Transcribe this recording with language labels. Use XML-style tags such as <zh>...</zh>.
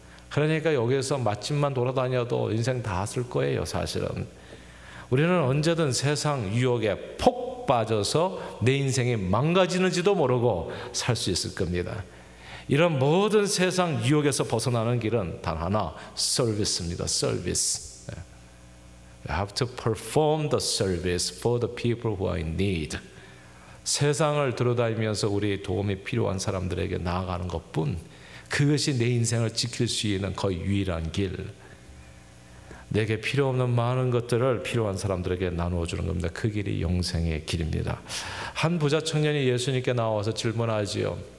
<ko>그러니까 여기에서 맛집만 돌아다녀도 인생 다 쓸 거예요, 사실은. 우리는 언제든 세상 유혹에 폭 빠져서 내 인생이 망가지는지도 모르고 살 수 있을 겁니다. 이런 모든 세상 유혹에서 벗어나는 길은 단 하나, 서비스입니다. 서비스.</ko> <en>You have to perform the service for the people who are in need.</en> <ko>세상을 돌아다니면서 우리의 도움이 필요한 사람들에게 나아가는 것뿐, 그것이 내 인생을 지킬 수 있는 거의 유일한 길. 내게 필요 없는 많은 것들을 필요한 사람들에게 나누어 주는 겁니다. 그 길이 영생의 길입니다. 한 부자 청년이 예수님께 나와서 질문하지요.</ko>